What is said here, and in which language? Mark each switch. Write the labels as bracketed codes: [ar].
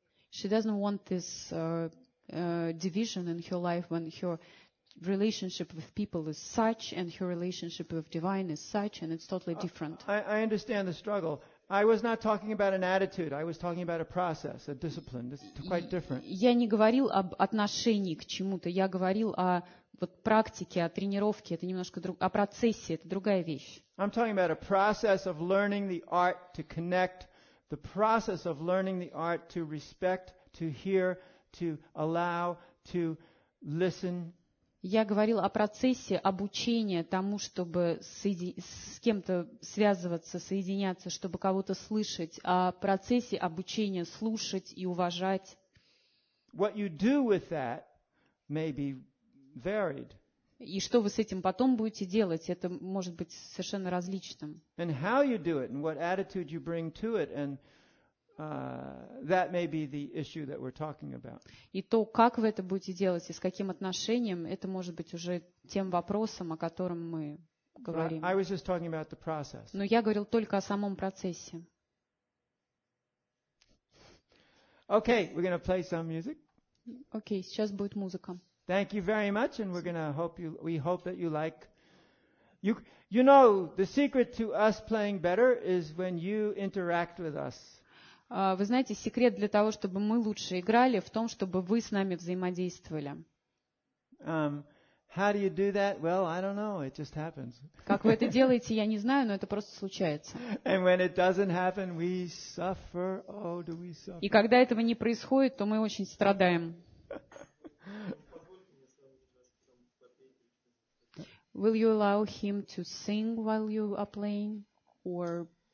[en] She doesn't want this division in her life when her relationship with people is such and her relationship with divine is such and it's totally different. I understand the struggle. I was not talking about an attitude. I was talking about a process, a discipline. It's quite different. [ru] Я не говорил об отношении к чему-то. Я говорил о вот практике, о тренировке. Это немножко о процессе. Это другая вещь. [en] I'm talking about a process of learning the art to connect, the process of learning the art to respect, to hear, to allow, to listen. [ru] Я говорил о процессе обучения тому, чтобы с кем-то связываться, соединяться, чтобы кого-то слышать, о процессе обучения слушать и уважать. [en] What you do with that may be varied. [ru] И что вы с этим потом будете делать, это может быть совершенно различным. [en] And how you do it, and what attitude you bring to it, and that may be the issue that we're talking about. [ru] И то, как вы это будете делать и с каким отношением, это может быть уже тем вопросом, о котором мы говорим. [en] I was just talking about the process. [ru] Но я говорил только о самом процессе. [en] Okay, we're going to play some music. [ru] Okay, сейчас будет музыка. [en] Thank you very much, and we're going to hope you. We hope that you like. You know, the secret to us playing better is when you interact with us. [ru] Вы знаете, секрет для того, чтобы мы лучше играли, в том, чтобы вы с нами взаимодействовали. [en] How do you do that? Well, I don't know. It just happens. [ru] Как вы это делаете, я не знаю, но это просто случается. [en] And when it doesn't happen, we suffer. Oh, do we suffer? [ru] И когда этого не происходит, то мы очень страдаем. [en] Will you allow him to sing while you are playing, or